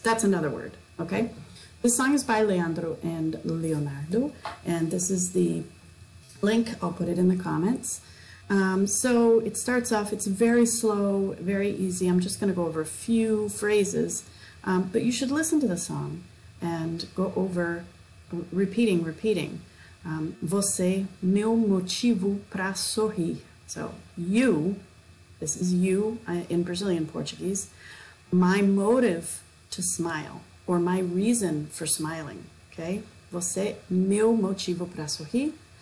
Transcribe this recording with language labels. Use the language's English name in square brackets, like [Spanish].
[English] That's another word, okay? This song is by Leandro and Leonardo, and this is the link. I'll put it in the comments. So it starts off, it's very slow, very easy. I'm just gonna go over a few phrases. But you should listen to the song and go over repeating. [Portuguese] Você, meu motivo para sorrir. [English] So, you, this is you in Brazilian Portuguese, my motive to smile or my reason for smiling. Okay? [Portuguese] Você, meu motivo para sorrir.